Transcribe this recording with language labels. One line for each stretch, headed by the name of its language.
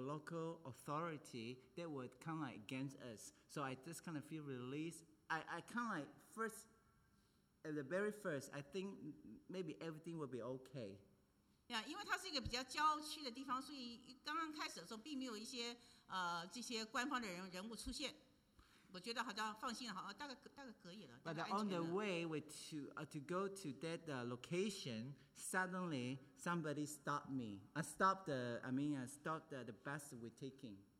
English: or local authority that would kind of like against us. So I just kind of feel released. I kind of like first, at the very first, I think maybe everything will be okay.
Chinese: Yeah, 因为它是一个比较郊区的地方，所以刚刚开始的时候并没有一些 这些官方的人物出现，我觉得好像放心了，好，大概可以了。
English: But on the way to go to that location, suddenly somebody stopped me. I stopped the bus we're taking.